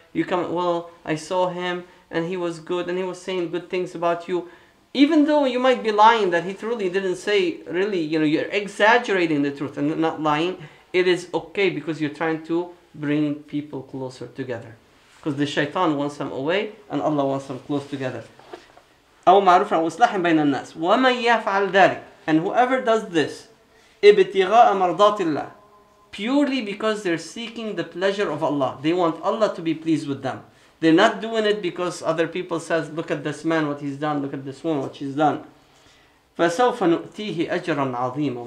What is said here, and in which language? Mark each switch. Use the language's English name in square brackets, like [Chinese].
[English] You come, well, I saw him and he was good and he was saying good things about you. Even though you might be lying that he truly didn't say, really, you know, you're exaggerating the truth and not lying, it is okay because you're trying to bring people closer together. Because the shaitan wants them away and Allah wants them close together. [Arabic] أو معروفا وإصلاحا بين الناس ومن يفعل ذلك. [English] And whoever does this, [Arabic] ابتغاء مرضات الله, [English] purely because they're seeking the pleasure of Allah. They want Allah to be pleased with them. They're not doing it because other people says, look at this man, what he's done, look at this woman, what she's done. [Arabic] فَسَوْفَ نُؤْتِيهِ أَجْرًا عَظِيمًا.